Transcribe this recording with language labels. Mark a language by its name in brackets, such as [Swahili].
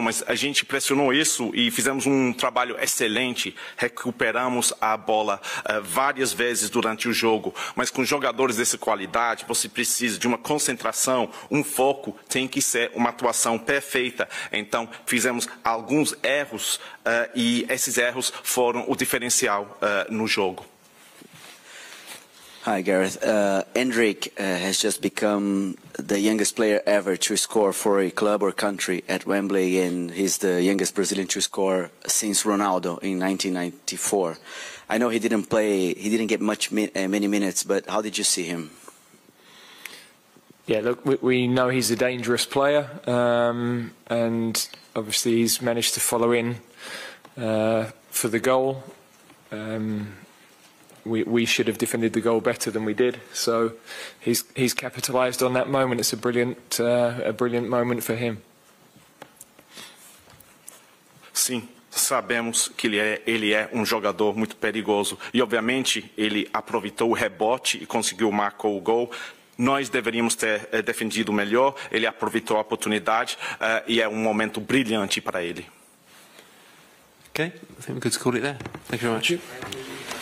[Portuguese] Mas a gente pressionou isso e fizemos um trabalho excelente, recuperamos a bola várias vezes durante o jogo. Mas com jogadores dessa qualidade, você precisa de uma concentração, um foco, tem que ser uma atuação perfeita. Então fizemos alguns erros e esses erros foram o diferencial no jogo. [English] Hi, Gareth. Endrick has just become the youngest player ever to score for a club or country at Wembley, and he's the youngest Brazilian to score since Ronaldo in 1994. I know he didn't get many minutes, but how did you see him? Yeah, look, we know he's a dangerous player, and obviously he's managed to follow in for the goal. We should have defended the goal better than we did, so he's capitalised on that moment. It's a brilliant moment for him. [Portuguese] Sim, sabemos que ele é um jogador muito perigoso e obviamente ele aproveitou o rebote e conseguiu marcar o gol. Nós deveríamos ter defendido melhor, ele aproveitou a oportunidade e é um momento brilhante para ele. [English] Okay, I think we could call it there. Thank you very much. Thank you.